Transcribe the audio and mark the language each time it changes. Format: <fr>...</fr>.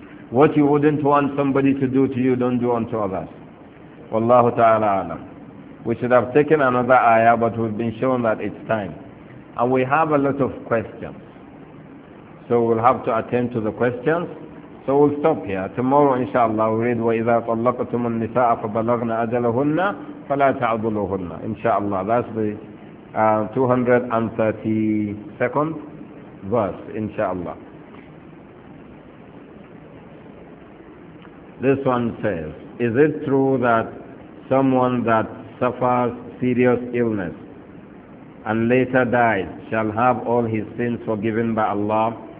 <en>What you wouldn't want somebody to do to you, don't do unto others. Wallahu ta'ala alam. We should have taken another ayah, but we've been shown that it's time. And we have a lot of questions. So we'll have to attend to the questions. So we'll stop here. Tomorrow, inshallah, we'll read,</en> <ar>وَإِذَا طَلَّقْتُمُ النِّسَاءَ فَبَلَغْنَ أَجَلَهُنَّ فَلَا تَعْضُلُهُنَّ.</ar> <en>Inshallah, that's the 232nd verse, inshallah. This one says, is it true that someone that suffers serious illness and later dies shall have all his sins forgiven by Allah?</en>